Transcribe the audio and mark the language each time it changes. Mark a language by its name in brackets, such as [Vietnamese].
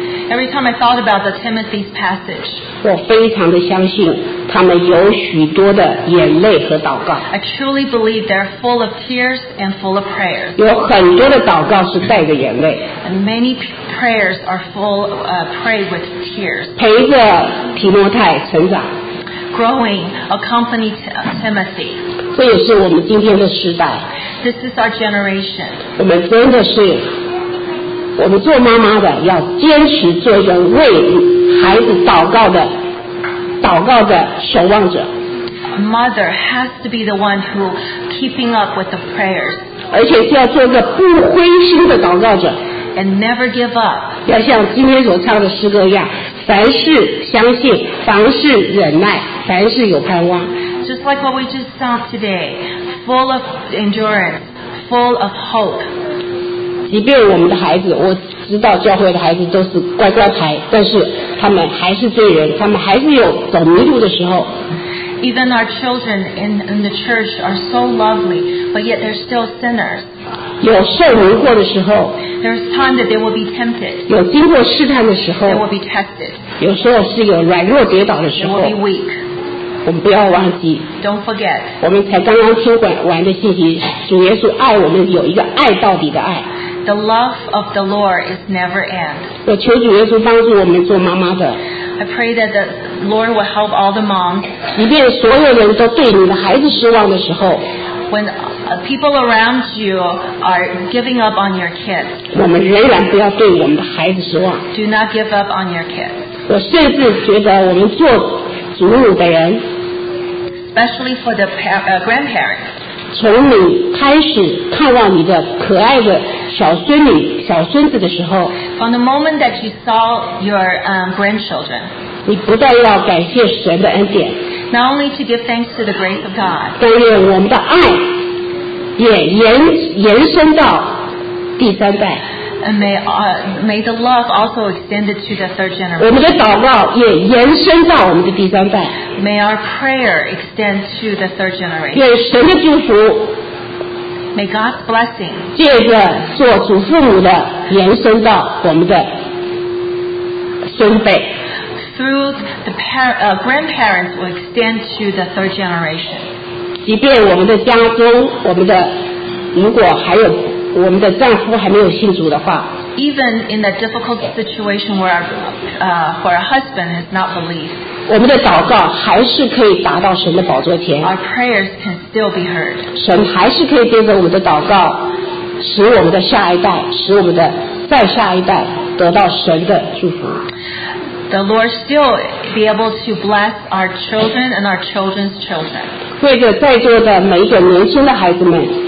[English] Every time I thought about the Timothy's passage, [Chinese] 我非常的相信他们有许多的眼泪和祷告。 [English] I truly believe they're full of tears and full of prayers. [Chinese] 有很多的祷告是带着眼泪。 [English] And many prayers are full, prayed with tears. [Chinese] 陪着提摩太成长。 [English] Growing, accompany Timothy. [Chinese] 这也是我们今天的时代。 [English] This is our generation. [Chinese] 我们真的是。我们做妈妈的要坚持做一个为孩子祷告的守望者。 [English] Mother has to be the one who keeping up with the prayers. [Chinese] 而且是要做一个不灰心的祷告者。 [English] And never give up. [Chinese] 要像今天所唱的诗歌一样，凡事相信，凡事忍耐，凡事有盼望。 [English] Just like what we just saw today, full of endurance, full of hope. [Chinese] 即便我们的孩子，我知道教会的孩子都是乖乖牌，但是他们还是罪人，他们还是有走迷路的时候。 [English] Even our children in the church are so lovely, but yet they're still sinners. [Chinese] 有受迷惑的时候。 [English] There's time that they will be tempted. [Chinese] 有经过试探的时候。 [English] They will be tested. [Chinese] 有时候是有软弱跌倒的时候。 [English] They will be weak. [Chinese] 我们不要忘记。 [English] Don't forget. [Chinese] 我们才刚刚听完的信息，主耶稣爱我们有一个爱到底的爱。 [English] The love of the Lord is never end. [Chinese] 我求主耶稣帮助我们做妈妈的。 [English] I pray that the Lord will help all the moms. [Chinese] 即便所有人都对你的孩子失望的时候。 [English] When people around you are giving up on your kids. [Chinese] 我们仍然不要对我们的孩子失望。 [English] Do not give up on your kids. [Chinese] 我甚至觉得我们做祖母的人。 [English] Especially for the grandparents. [Chinese] 从你开始看望你的可爱的小孙女、小孙子的时候 [English] ，From the moment that you saw your grandchildren， [Chinese] 你不但要感谢神的恩典 [English] ，Not only to give thanks to the grace of God， [Chinese] 但愿我们的爱也延伸到第三代 [English] ，And may the love also extended to the third generation。 [Chinese] 我们的祷告也延伸到我们的第三代。 [English] May our prayer extend to the third generation. [Chinese] 愿神的祝福。 [English] May God's blessing. [Chinese] 借着做祖父母的延伸到我们的孙辈。 [English] Through the grandparents will extend to the third generation. [Chinese] 即便我们的家中，我们的如果还有我们的丈夫还没有信主的话。 [English] Even in that difficult situation where our husband has not believed. [Chinese] 我们的祷告还是可以达到神的宝座前。 [English] Our prayers can still be heard. [Chinese] 神还是可以借着我们的祷告，使我们的下一代，使我们的再下一代得到神的祝福。 [English] the Lord still be able to bless our children and our children's children. [Chinese] 为着在座的每一个年轻的孩子们。